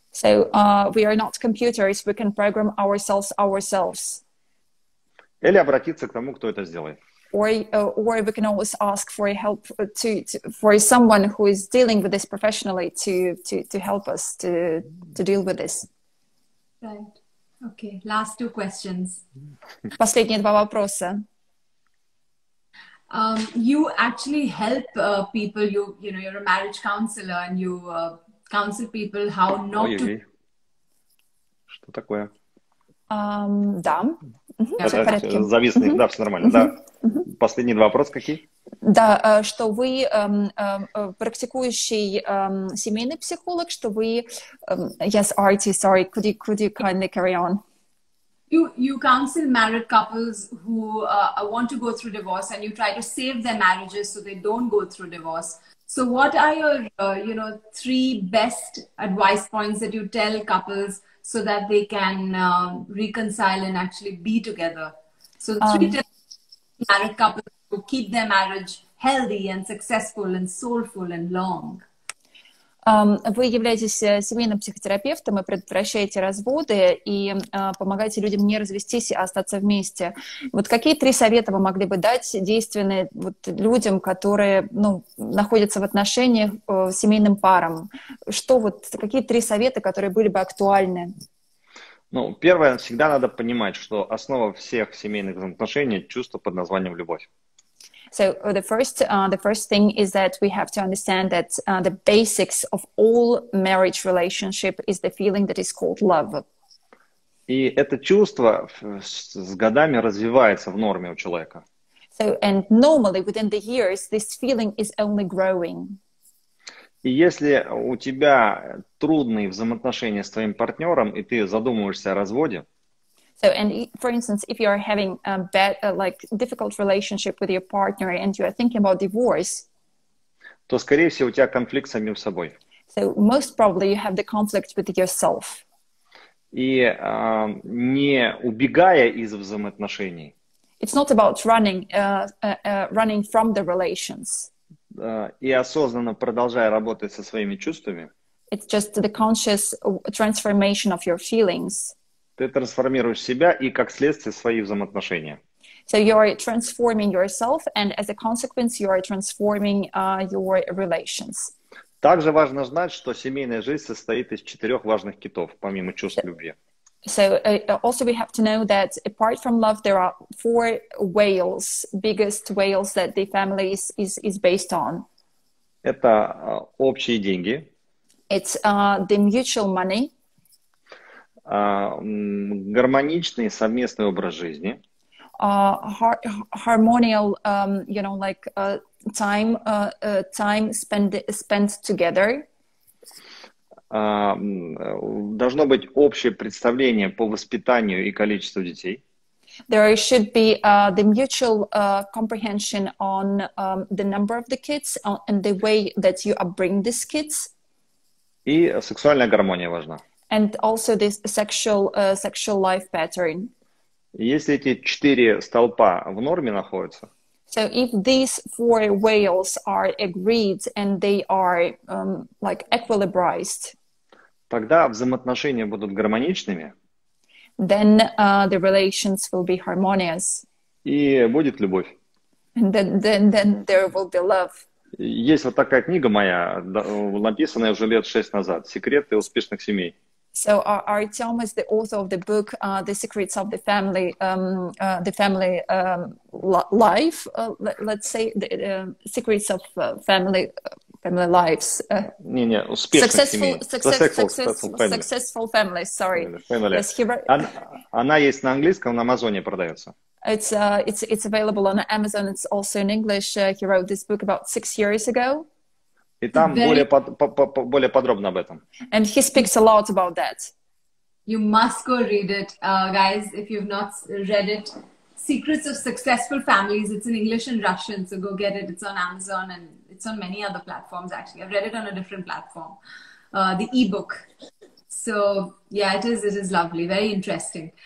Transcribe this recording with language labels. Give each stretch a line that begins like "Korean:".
English: So we are not computers, we can program ourselves.
Russian: Или обратиться к тому, кто это сделает.
English: Or we can always ask for help for someone who is dealing with this professionally to help us to deal with this. Right. Okay. Last two questions.
Russian: Последние два вопроса.
English: You actually help people. You know, you're a marriage counselor and you counsel people how not to.
Russian: Что такое? Да. Зависный, да, все нормально. Да. Последние два вопроса какие? Да, что вы практикующий семейный психолог, что вы...
English: yes, Artie, sorry, could you kindly carry on? You counsel married couples who want to go through divorce and you try to save their marriages so they don't go through divorce. So what are your, you know, three best advice points that you tell couples so that they can reconcile and actually be together? So three married couples who keep their marriage healthy and successful and soulful and long.
Russian: Вы являетесь семейным психотерапевтом и предотвращаете разводы, и помогаете людям не развестись, а остаться вместе. Вот какие три совета вы могли бы дать действенные вот, людям, которые ну, находятся в отношениях с семейным паром? Что вот, какие три совета, которые были бы актуальны? Ну, первое, всегда надо понимать, что основа всех семейных отношений – чувство под названием «любовь».
English: So the first thing is that we have to understand that the basics of all marriage relationship is the feeling that is called love.
Russian: И это чувство с годами развивается в норме у человека.
English: So and normally within the years this feeling is only growing.
Russian: И если у тебя трудные взаимоотношения с твоим партнером и ты задумываешься о разводе,
English: so, and for instance, if you are having a bad, like difficult relationship with your partner, and you are thinking about divorce,
Russian: то скорее всего у тебя конфликт с самим собой.
English: So most probably you have the conflict with yourself.
Russian: И не убегая из взаимоотношений.
English: It's not about running, running from the relations.
Russian: И осознанно продолжая работать со своими чувствами.
English: It's just the conscious transformation of your feelings.
Russian: Ты трансформируешь себя и, как следствие, свои взаимоотношения.
English: So you are transforming yourself, and as a consequence, you are transforming your relations.
Russian: Также важно знать, что семейная жизнь состоит из четырех важных китов, помимо чувств любви.
English: So also we have to know that apart from love, there are four whales, biggest whales that the family is based on.
Russian: Это общие деньги.
English: It's the mutual money.
Russian: Гармоничный совместный образ жизни.
English: Harmonial, you know, like time, time spent together.
Russian: Должно быть общее представление по воспитанию и количеству детей.
English: There should be the mutual comprehension on the number of the kids and the way that you upbring these kids.
Russian: И сексуальная гармония важна.
English: And also this sexual sexual life pattern.
Russian: Если эти четыре столпа в норме находятся.
English: So if these four whales are agreed and they are like equilibrized.
Russian: Тогда взаимоотношения будут гармоничными.
English: Then the relations will be harmonious.
Russian: И будет любовь.
English: And then there will be love.
Russian: Есть вот такая книга моя, написанная уже лет 6 назад, «Секреты успешных семей».
English: So Artem is the author of the book The Secrets of the Family Life, let's say the Secrets of Family Lives.
Russian: Не,
English: Successful Families, sorry. Family.
Russian: Yes, она есть на английском, на Амазоне продается.
English: It's available on Amazon, it's also in English. He wrote this book about 6 years ago.
Russian: И там более подробно об этом.
English: And he speaks a lot about that. You must go read it, guys, if you've not read it. Secrets of Successful Families. It's in English and Russian, so go get it. It's on Amazon and it's on many other platforms, actually. I've read it on a different platform. The e-book. So, yeah, it is lovely. Very interesting.